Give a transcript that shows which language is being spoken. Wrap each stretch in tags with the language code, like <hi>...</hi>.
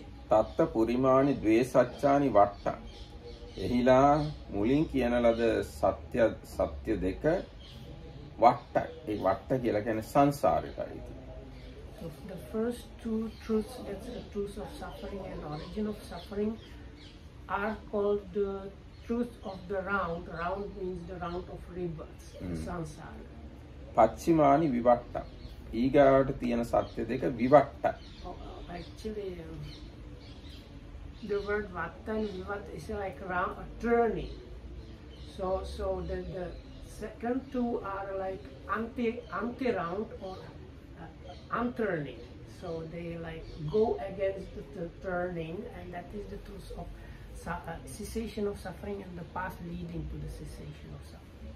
<pi>තත්ත පුරිමාණි ද්වේසච්ඡානි වට්ට</pi> <si>එහිලා මුලින් කියන ලද සත්‍ය දෙක වට්ට ඒ වට්ට කියලා කියන්නේ සංසාරයටයි.</si> <en>The first two truths, that's the truth of suffering and origin of suffering, are called the truth of the round. Round means the round of rebirths, samsara.</en> <pi>පච්චිමානි විවට්ට</pi> <si>ඊගාවට තියෙන සත්‍ය දෙක විවට්ට.</si> <en>Actually, the word vatta and vivat is like round, a turning. So the second two are like anti-round or unturning. So they like go against the turning, and that is the truth of cessation of suffering and the path leading to the cessation of suffering.</en>